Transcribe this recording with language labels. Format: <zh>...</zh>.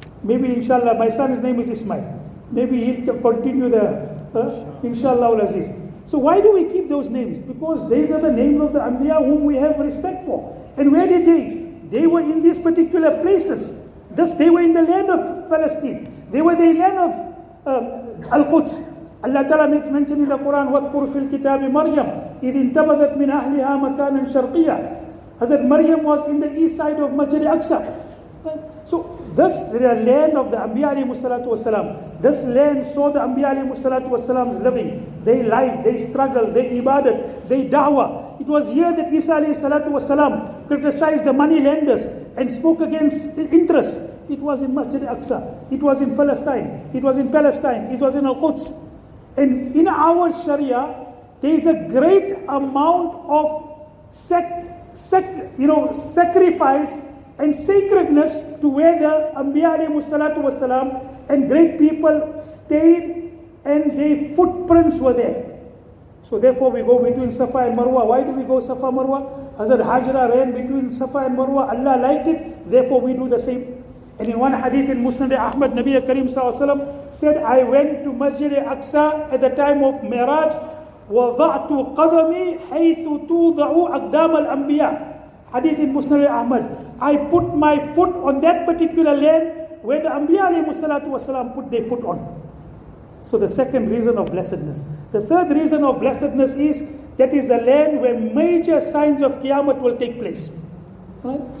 <en>Maybe, inshallah, my son's name is Ismail. Maybe he can continue the, inshallah, Al-Aziz. So why do we keep those names? Because these are the names of the Anbiya whom we have respect for. And where did they? They were in these particular places. They were in the land of Palestine. They were the land of Al-Quds. Allah Ta'ala makes mention in the Quran,</en> <ar>وَذْكُرُ فِي الْكِتَابِ مَرْيَمْ إِذْ انْتَبَذَتْ مِنْ أَهْلِهَا مَكَانًا شَرْقِيًا.</ar> <en>Hazrat Maryam was in the east side of Masjid al-Aqsa. So this, the land of the Anbiya alayhi salatu wasalam, this land saw the Anbiya alayhi salatu wasalam's living, they life, they struggle, they ibadat, they da'wah. It was here that Isa alayhi salatu wasalam criticized the money lenders and spoke against interest. It was in Masjid al-Aqsa. It was in Palestine. It was in Palestine. It was in Al-Quds. And in our Sharia, there is a great amount of sacrifice and sacredness to where the Anbiya alayhi salatu wasalam and great people stayed and their footprints were there. So therefore we go between Safa and Marwa. Why do we go Safa and Marwa? Hazrat Hajra ran between Safa and Marwa. Allah liked it. Therefore we do the same. And in one hadith in Musnad Ahmad, Nabi Karim s.a.w. said, I went to Masjid al-Aqsa at the time of Miraj.</en> <ar>وَضَعْتُ قَدَمِي حَيْثُ تُوضَعُ أَقْدَامَ الْأَنْبِيَا.</ar> <en>Hadith in Musnad Ahmad. I put my foot on that particular land where the Anbiya alayhi salatu wasalam put their foot on. So the second reason of blessedness. The third reason of blessedness is that is the land where major signs of Qiyamah will take place. Right?</en>